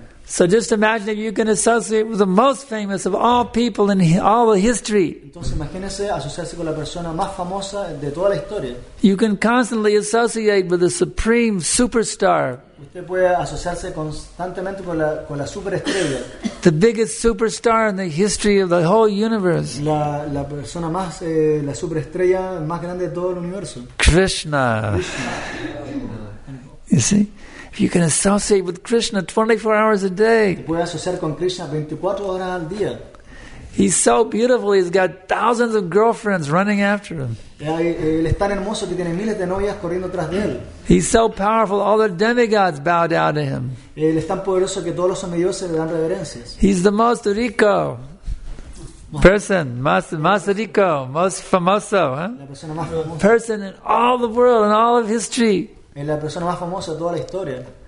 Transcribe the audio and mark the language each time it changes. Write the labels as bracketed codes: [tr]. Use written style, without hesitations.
[en] So just imagine if you can associate with the most famous of all people in all the history. [es] Entonces imagínese asociarse con la persona más famosa de toda la historia. [en] You can constantly associate with the supreme superstar. [es] Usted puede asociarse constantemente con la superestrella. [en] The biggest superstar in the history of the whole universe. [es] La persona más la superestrella más grande de todo el universo. [en] Krishna. [es] Krishna. [en] You see? You can associate with Krishna 24 hours a day. [es] Puede asociar con Krishna 24 horas al día. [en] He's so beautiful. He's got thousands of girlfriends running after him. [es] Él es tan hermoso que tiene miles de novias corriendo tras de él. [en] He's so powerful. All the demigods bow down to him. [es] Él es tan poderoso que todos los semidioses le dan reverencias. [en] He's the most [es] rico [en] person, [es] más rico, [en] most [es] famoso, [en] huh? [es] La persona más famosa. [en] Person in all the world, in all of history. [es] Es la persona más famosa de toda la historia.